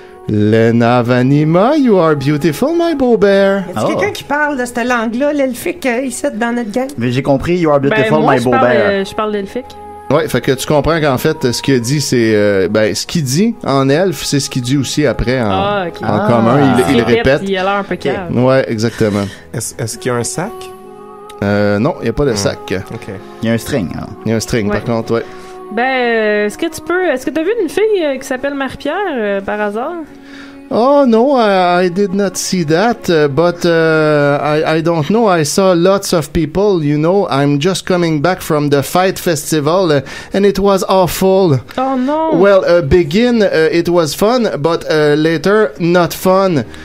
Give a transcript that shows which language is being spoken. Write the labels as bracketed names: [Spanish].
[English] Lena Vanima, you are beautiful, my beau bear! [French] Y'a-t-il quelqu'un qui parle de cette langue-là, l'elfique, ici, dans notre gang? Mais j'ai compris, [English] you are beautiful, [French] ben, moi, [English] my beau bear! [French] Je parle l'elfique. Ouais, fait que tu comprends qu'en fait, ce qu'il dit, c'est. Ben, ce qu'il dit en elfe, c'est ce qu'il dit aussi après en commun. Il répète. Il a l'air un peu calme. Ouais, exactement. Est-ce qu'il y a un sac? Non, il n'y a pas de sac. Okay. Il y a un string. Il y a un string, ouais. Par contre, ouais. Ben, est-ce que tu peux... Est-ce que t'as vu une fille qui s'appelle Marie-Pierre, par hasard? [English] Oh, no, I did not see that, but I don't know. I saw lots of people, you know. I'm just coming back from the Fight Festival, and it was awful. Oh, no. Well, it was fun, but later, not fun.